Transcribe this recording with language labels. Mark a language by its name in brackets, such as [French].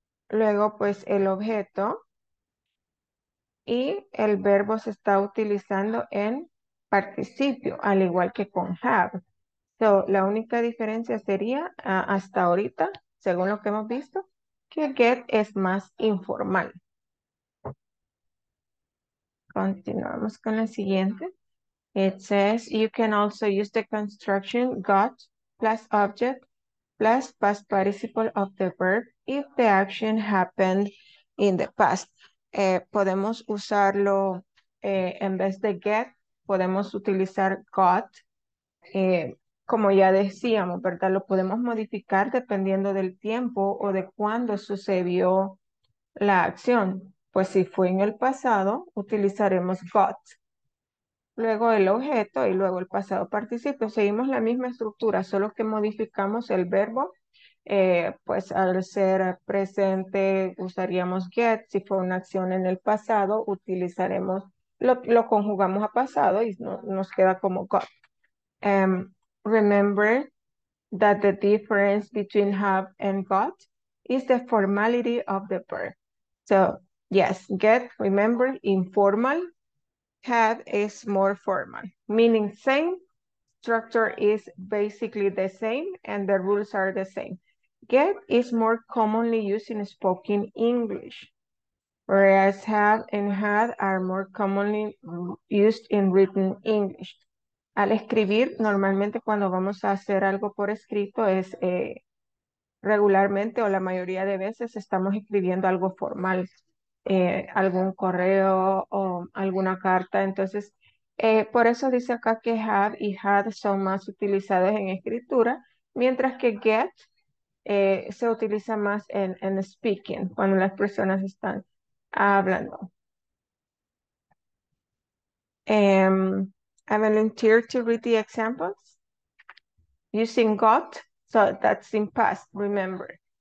[Spanish] Luego, pues el objeto y el verbo se está utilizando en participio, al igual que con have. So, la única diferencia sería hasta ahorita, según lo que hemos visto, que get es más informal. Continuamos con la siguiente. It says you can also use the construction got plus object plus past participle of the verb if the action happened in the past. Podemos usarlo en vez de get, podemos utilizar got. Como ya decíamos, ¿verdad? Lo podemos modificar dependiendo del tiempo o de cuándo sucedió la acción. Pues si fue en el pasado, utilizaremos got. Luego el objeto y luego el pasado participio. Seguimos la misma estructura, solo que modificamos el verbo. Pues al ser presente, usaríamos get. Si fue una acción en el pasado, utilizaremos, lo conjugamos a pasado y no, nos queda como got. [English] Remember that the difference between have and got is the formality of the verb. So, yes, get, remember, informal. Have is more formal, meaning same. Structure is basically the same and the rules are the same. Get is more commonly used in spoken English, whereas have and had are more commonly used in written English. [Spanish] Al escribir, normalmente cuando vamos a hacer algo por escrito es regularmente o la mayoría de veces estamos escribiendo algo formal, algún correo o alguna carta. Entonces, por eso dice acá que have y had son más utilizados en escritura, mientras que get se utiliza más en speaking, cuando las personas están hablando. [English] I volunteer to read the examples using got, so that's in past, remember.